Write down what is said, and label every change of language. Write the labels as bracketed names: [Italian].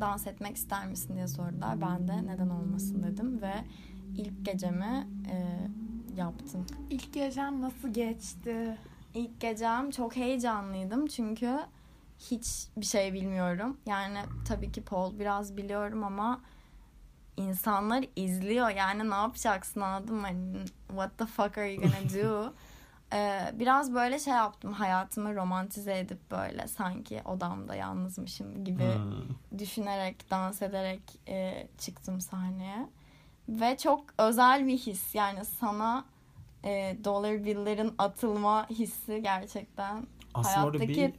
[Turkish] Dans etmek ister misin diye sordular. Ben de neden olmasın dedim ve ilk gecemi yaptım. İlk gecem nasıl geçti? İlk gecem çok heyecanlıydım çünkü hiçbir şey bilmiyorum. Yani tabii ki pol biraz biliyorum ama insanlar izliyor. Yani ne yapacaksın anladın mı? [English] What the fuck are you gonna do? [Turkish] biraz böyle şey yaptım, hayatımı romantize edip böyle sanki odamda yalnızmışım gibi düşünerek, dans ederek çıktım sahneye. Ve çok özel bir his, yani sana dollar bill'lerin atılma hissi gerçekten aslında hayattaki bir...